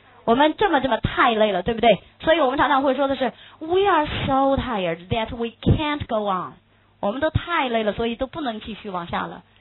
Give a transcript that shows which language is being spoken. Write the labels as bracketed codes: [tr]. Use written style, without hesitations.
[zh] 我们这么太累了，对不对？ [en] 所以我们常常会说的是 We are so tired that we can't go on. [zh] 我们都太累了，所以都不能继续往下了。